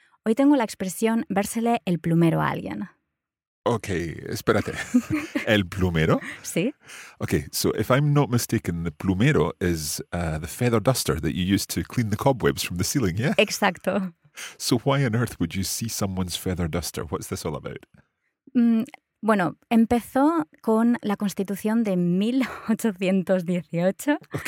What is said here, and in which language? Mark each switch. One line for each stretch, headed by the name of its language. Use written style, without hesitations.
Spanish: Hoy tengo la expresión vérsele el plumero a alguien. Ok, espérate. ¿El plumero? Sí.
English: Ok, so if I'm not mistaken, the plumero is the feather duster that you use to clean the cobwebs from the ceiling, yeah?
Spanish: Exacto.
English: So why on earth would you see someone's feather duster? What's this all about?
Spanish: Bueno, empezó con la Constitución de 1818,